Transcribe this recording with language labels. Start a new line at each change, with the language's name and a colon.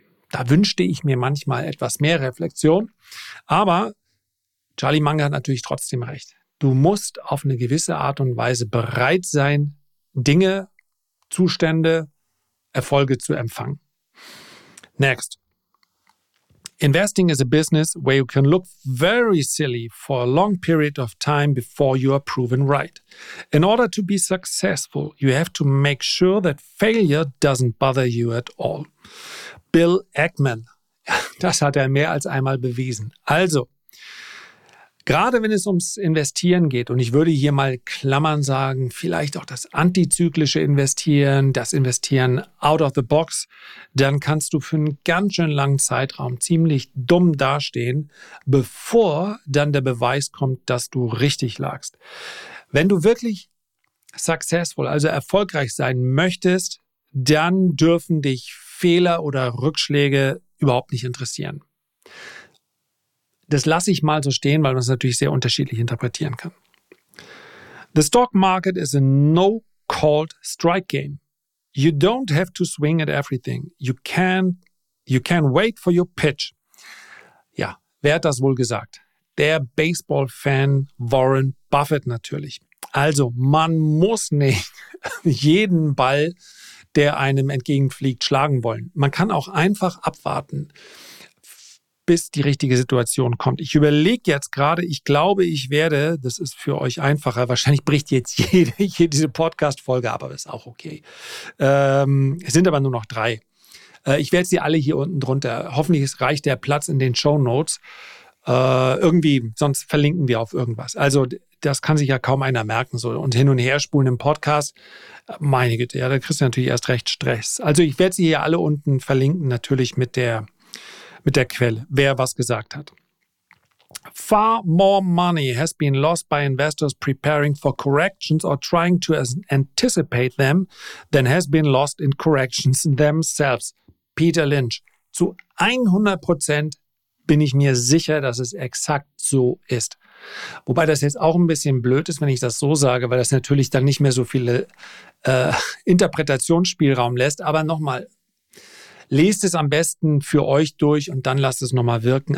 German: Da wünschte ich mir manchmal etwas mehr Reflexion. Aber Charlie Munger hat natürlich trotzdem recht. Du musst auf eine gewisse Art und Weise bereit sein, Dinge, Zustände, Erfolge zu empfangen.
English: Next. Investing is a business where you can look very silly for a long period of time before you are proven right. In order to be successful, you have to make sure that failure doesn't bother you at all.
German: Bill Ackman. Das hat er mehr als einmal bewiesen. Also, gerade wenn es ums Investieren geht, und ich würde hier mal Klammern sagen, vielleicht auch das antizyklische Investieren, das Investieren
English: out of the box,
German: dann kannst du für einen ganz schön langen Zeitraum ziemlich dumm dastehen, bevor dann der Beweis kommt, dass du richtig lagst. Wenn du wirklich successful, also erfolgreich sein möchtest, dann dürfen dich Fehler oder Rückschläge überhaupt nicht interessieren. Das lasse ich mal so stehen, weil man es natürlich sehr unterschiedlich interpretieren kann.
English: The stock market is a no-called strike game. You don't have to swing at everything. You can wait for your pitch.
German: Ja, wer hat das wohl gesagt? Der Baseball-Fan Warren Buffett natürlich. Also, man muss nicht jeden Ball, der einem entgegenfliegt, schlagen wollen. Man kann auch einfach abwarten, bis die richtige Situation kommt. Ich überlege jetzt gerade, ich glaube, ich werde, das ist für euch einfacher, wahrscheinlich bricht jetzt diese Podcast-Folge ab, aber ist auch okay. Es sind aber nur noch drei. Ich werde sie alle hier unten drunter, hoffentlich reicht der Platz in den Shownotes. Irgendwie, sonst verlinken wir auf irgendwas. Also das kann sich ja kaum einer merken. So. Und hin und her spulen im Podcast, meine Güte, ja, da kriegst du natürlich erst recht Stress. Also ich werde sie hier alle unten verlinken, natürlich mit der Quelle, wer was gesagt hat.
English: Far more money has been lost by investors preparing for corrections or trying to anticipate them than has been lost in corrections themselves. Peter Lynch.
German: Zu 100% bin ich mir sicher, dass es exakt so ist. Wobei das jetzt auch ein bisschen blöd ist, wenn ich das so sage, weil das natürlich dann nicht mehr so viele Interpretationsspielraum lässt. Aber nochmal, Lest es am besten für euch durch und dann lasst es nochmal wirken.